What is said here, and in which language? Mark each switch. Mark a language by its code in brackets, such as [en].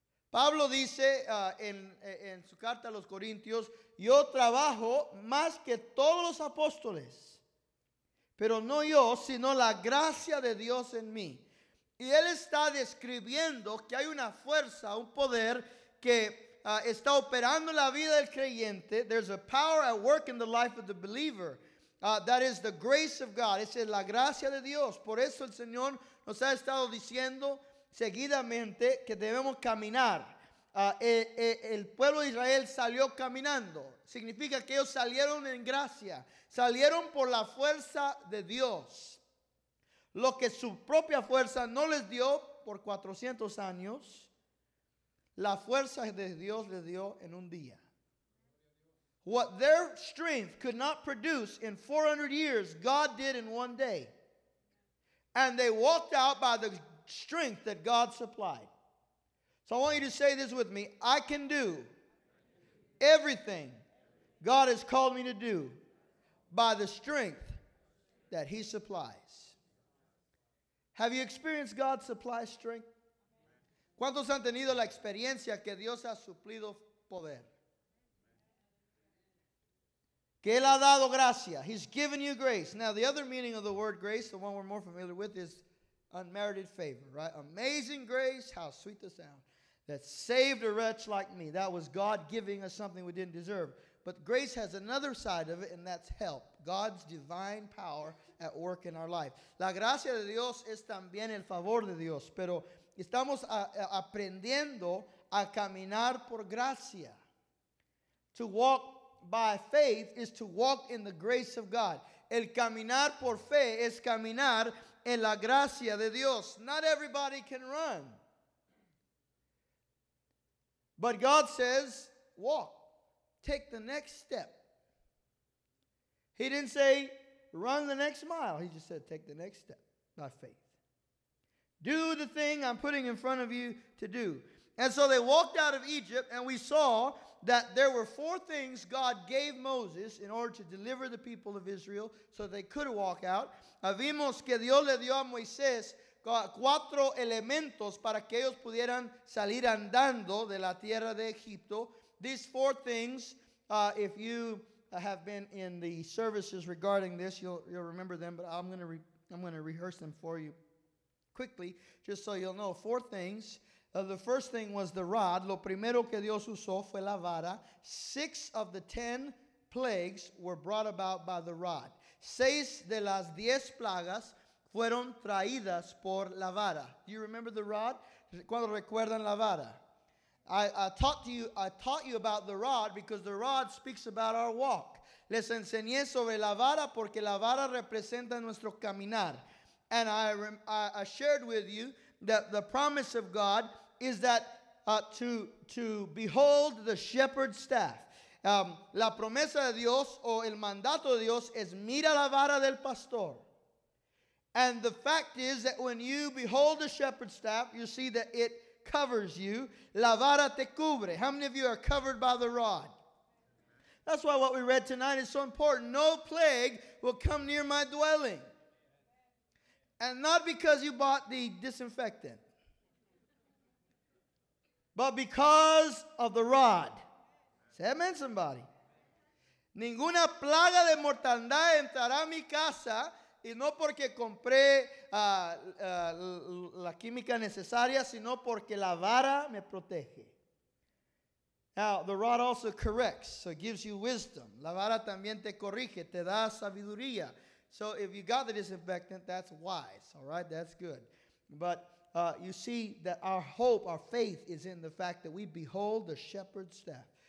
[es] Pablo dice en su carta a los Corintios, yo trabajo más que todos los apóstoles, pero no yo, sino la gracia de Dios en mí. Y él está describiendo que hay una fuerza, un poder que está operando la vida del creyente. [en] There's a power at work in the life of the believer. That is the grace of God. [es] Esa es la gracia de Dios. Por eso el Señor nos ha estado diciendo seguidamente que debemos caminar. El pueblo de Israel salió caminando. Significa que ellos salieron en gracia. Salieron por la fuerza de Dios. Lo que su propia fuerza no les dio por 400 años, la fuerza de Dios les dio en un día. [en] What their strength could not produce in 400 years, God did in one day. And they walked out by the strength that God supplied. So I want you to say this with me. I can do everything God has called me to do by the strength that he supplies. Have you experienced God's supply strength? [es] ¿Cuántos han tenido la experiencia que Dios ha suplido poder? Que él ha dado gracia. [en] He's given you grace. Now the other meaning of the word grace, the one we're more familiar with, is Unmerited favor, right? Amazing grace, how sweet the sound, that saved a wretch like me. That was God giving us something we didn't deserve. But grace has another side of it, and that's help. God's divine power at work in our life. [es] La gracia de Dios es también el favor de Dios. Pero estamos aprendiendo a caminar por gracia. [en] To walk by faith is to walk in the grace of God. [es] El caminar por fe es caminar en la gracia de Dios. [en] Not everybody can run. But God says, walk. Take the next step. He didn't say, run the next mile. He just said, take the next step by faith. Do the thing I'm putting in front of you to do. And so they walked out of Egypt, and we saw that there were four things God gave Moses in order to deliver the people of Israel so they could walk out. [es] Vimos que Dios le dio a Moisés cuatro elementos para que ellos pudieran salir andando de la tierra de Egipto. [en] These four things, if you have been in the services regarding this, you'll remember them, but I'm going to rehearse them for you quickly, just so you'll know. Four things. The first thing was the rod. [es] Lo primero que Dios usó fue la vara. [en] Six of the 10 plagues were brought about by the rod. [es] Seis de las 10 plagas fueron traídas por la vara. [en] Do you remember the rod? [es] ¿Cuándo recuerdan la vara? [en] I taught you about the rod because the rod speaks about our walk. [es] Les enseñé sobre la vara porque la vara representa nuestro caminar. [en] And I shared with you that the promise of God is that to behold the shepherd's staff. [es] La promesa de Dios o el mandato de Dios es mira la vara del pastor. [en] And the fact is that when you behold the shepherd's staff, you see that it covers you. [es] La vara te cubre. [en] How many of you are covered by the rod? That's why what we read tonight is so important. No plague will come near my dwelling. And not because you bought the disinfectant, but because of the rod. Say amen, somebody. [es] Ninguna plaga de mortandad entrará a mi casa. Y no porque compré la química necesaria, sino porque la vara me protege. [en] Now, the rod also corrects, so it gives you wisdom. [es] La vara también te corrige, te da sabiduría. [en] So if you got the disinfectant, that's wise, all right? That's good. But you see that our hope, our faith, is in the fact that we behold the shepherd's staff.